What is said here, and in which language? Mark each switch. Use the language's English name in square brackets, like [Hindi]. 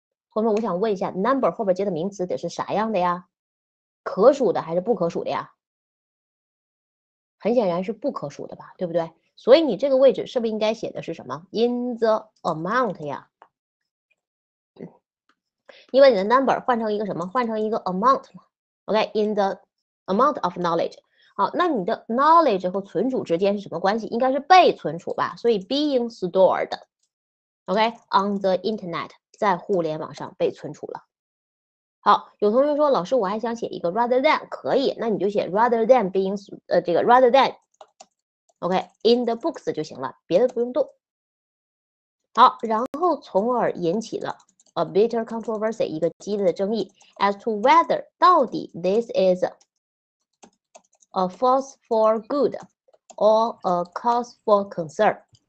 [Chinese] 同学们，我想问一下 ，number 后边接的名词得是啥样的呀？可数的还是不可数的呀？很显然是不可数的吧，对不对？所以你这个位置是不是应该写的是什么 ？ [English] In the amount [Chinese] 呀？你把你的 number 换成一个什么？换成一个 amount 嘛 ？OK， [English] in the amount of knowledge。 [Chinese] 好，那你的 knowledge 和存储之间是什么关系？应该是被存储吧？所以 [English] being stored。 [Chinese] OK， [English] on the internet， [Chinese] 在互联网上被存储了。好，有同学说，老师我还想写一个 rather than， 可以，那你就写 [English] rather than being， [Chinese] 这个 rather than。 OK, [English] in the books [Chinese] 就行了，别的不用动。好，然后从而引起了 [English] a bitter controversy， [Chinese] 一个激烈的争议 [English] ，as to whether [Chinese] 到底 [English] this is a force for good or a cause for concern。